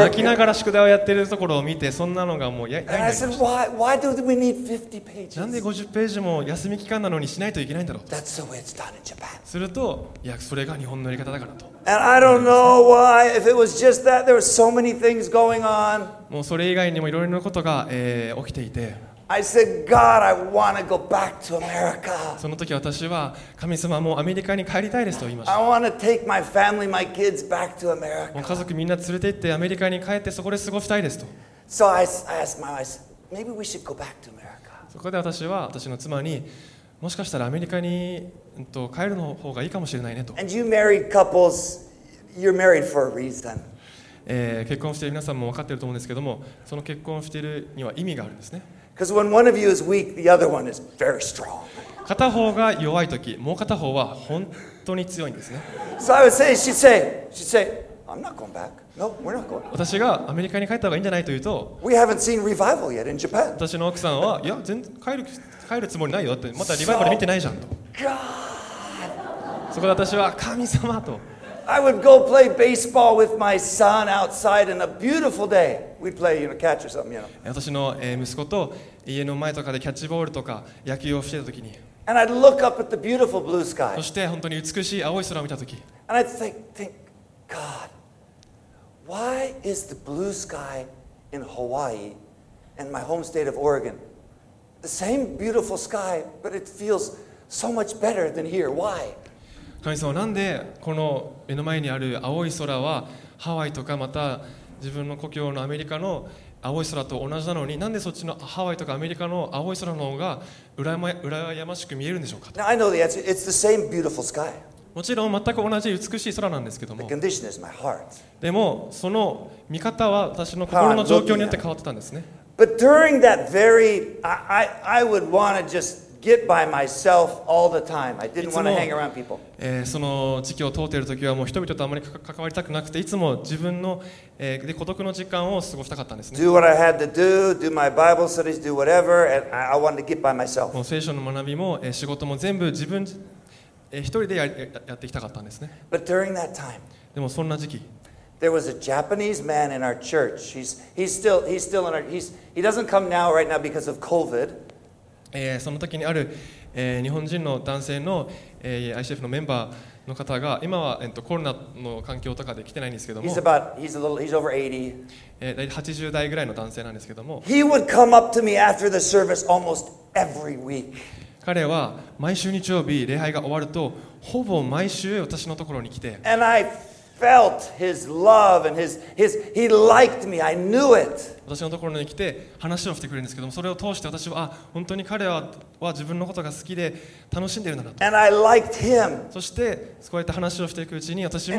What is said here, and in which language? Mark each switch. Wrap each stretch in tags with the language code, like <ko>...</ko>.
<ja>泣きながら宿題をやっているところを見て、そんなのがもうやりました。</ja> <en>And I said, why do we need 50 pages?</en> <ja>なんで50ページも休み期間なのにしないといけないんだろう。</ja> <en>That's the way it's done in Japan.</en> <ja>すると、いや、それが日本のやり方だからと。</ja> <en>And I don't know why, if it was just that, there were so many things going on.</en> <ja>もうそれ以外にもいろいろなことが、起きていて。</ja> <en>I said, God, I want to go back to America.</en> <ja>その時私は神様もうアメリカに帰りたいですと言いました。</ja> <en>I want to take my family, my kids back to America.</en> <ja>もう家族みんな連れて行ってアメリカに帰ってそこで過ごしたいですと。</ja> <en>So I asked my wife, maybe we should go back to America.</en> <ja>そこで私は私の妻にもしかしたらアメリカに帰るの方がいいかもしれないねと。</ja> <en>And you married couples, you're married for a reason.</en> <ja>結婚している皆さんも分かっていると思うんですけども、その結婚しているには意味があるんですね。</ja> <en>Because when one of you is weak, the other one is very strong.</en> <ja>片方が弱い時、もう片方は本当に強いんですね。</ja> <en>So I would say, she'd say, I'm not going back. No, we're not going back.</en> <ja>私がアメリカに帰った方がいいんじゃないと言うと、</ja> <en>We haven't seen revival yet in Japan.</en> <ja>私の奥さんは、いや、全然帰るつもりないよって、まだリバイバル見てないじゃんと。</ja> <en>God!</en> <ja>そこで私は、神様と。</ja> <en>I would go play baseball with my son outside in a beautiful day. We'd play, you know, catch or something, you know.</en> <ja>私の息子と家の前とかでキャッチボールとか野球をしてた時に。</ja> <en>And I'd look up at the beautiful blue sky.</en> <ja>そして本当に美しい青い空を見た時。</ja> <en>And I'd think, God, why is the blue sky in Hawaii and my home state of Oregon the same beautiful sky, but it feels so much better than here? Why?</en> <ja>神様、なんでこの目の前にある青い空はハワイとかまた自分の故郷のアメリカの青い空と同じなのになんでそっちのハワイとかアメリカの青い空の方が羨ましく見えるんでしょうかと。</ja> <en>Now, I know the answer. It's the same beautiful sky.</en> <ja>もちろん全く同じ美しい空なんですけども</ja> <en>The condition is my heart.</en> <ja>でもその見方は私の心の状況によって変わってたんですね。</ja> <en>But during that very I would want to justget by myself all the time. I didn't want to hang around people.</en> <ja>その時期を通っている時はもう人々とあまり関わりたくなくて、いつも自分の、で孤独の時間を過ごしたかったんですね。</ja> <en>Do what I had to do, do my Bible studies, do whatever, and I wanted to get by myself.</en> <ja>もう聖書の学びも、仕事も全部自分、一人で やってきたかったんですね。</ja> <en>But during that time,</en> <ja>でもそんな時期、</ja> <en>there was a Japanese man in our church. He's still in our he doesn't come now right now because of COVID.</en> <ja>その時にある、日本人の男性の、ICF のメンバーの方が今は、コロナの環境とかで来てないんですけども、</ja> <en>he's over 80.</en> <ja>80代ぐらいの男性なんですけども、</ja> <en>he would come up to me after the service almost every week.</en> <ja>彼は毎週日曜日礼拝が終わるとほぼ毎週私のところに来て、</ja> <en>and I felt his love and his he liked me, I knew it.</en> <ja>私のところに来て話をしてくれるんですけども、それを通して私は、あ、本当に彼は自分のことが好きで楽しんでいるんだなと。</ja> <en>And I liked him.</en> <ja>そしてこうやって話をしていくうちに私も</ja>